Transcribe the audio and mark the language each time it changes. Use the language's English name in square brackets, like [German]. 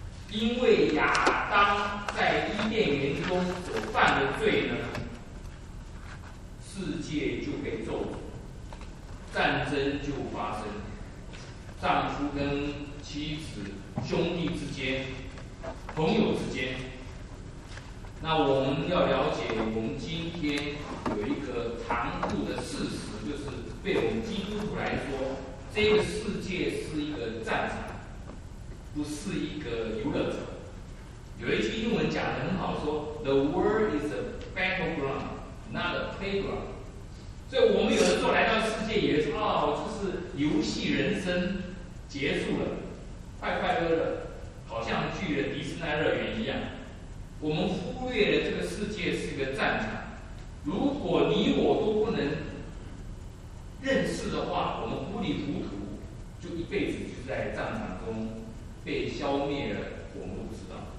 [Chinese] 因为亚当在伊甸园中所犯的罪呢，世界就被咒诅，战争就发生，丈夫跟妻子、兄弟之间、朋友之间。那我们要了解，我们今天有一个残酷的事实，就是对我们基督徒来说，这个世界是一个战场，不是一个游乐场。有一句英文讲得很好，说 [English] The world is a battleground, not a playground。 [Chinese] 所以我们有的时候来到世界也是就是游戏人生结束了，快快乐乐，好像去了迪士尼乐园一样。我们忽略了这个世界是一个战场，如果你我都不能认识的话，我们糊里糊涂就一辈子就在战场中被消灭了，我们都不知道。